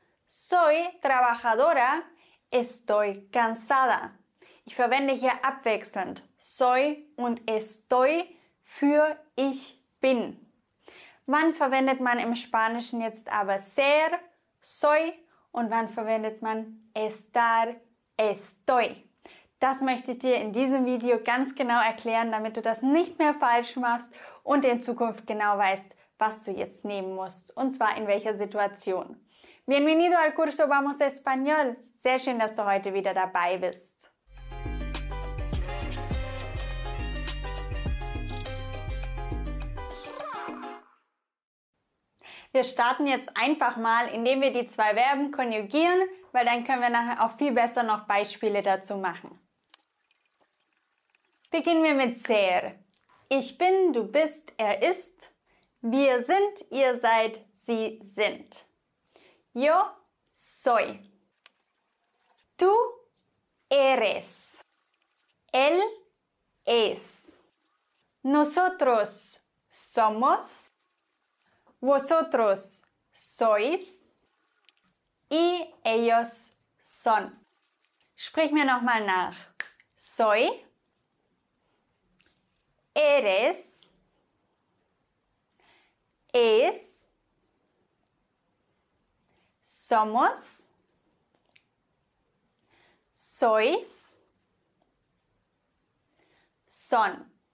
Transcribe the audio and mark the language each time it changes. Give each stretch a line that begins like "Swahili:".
Spanish: Soy trabajadora, estoy cansada.
German: Ich verwende hier abwechselnd soy und estoy für ich bin. Wann verwendet man im Spanischen jetzt aber ser, soy und wann verwendet man estar, estoy? Das möchte ich dir in diesem Video ganz genau erklären, damit du das nicht mehr falsch machst und in Zukunft genau weißt, was du jetzt nehmen musst und zwar in welcher Situation.
Spanish: Bienvenido al curso Vamos Español.
German: Sehr schön, dass du heute wieder dabei bist. Wir starten jetzt einfach mal, indem wir die zwei Verben konjugieren, weil dann können wir nachher auch viel besser noch Beispiele dazu machen. Beginnen wir mit ser. Ich bin, du bist, er ist. Wir sind, ihr seid, sie sind.
Spanish: Yo soy. Tú eres. Él es. Nosotros somos. Vosotros sois y ellos son.
German: Sprich mir nochmal nach.
Spanish: Soy, eres, es, somos, sois, son.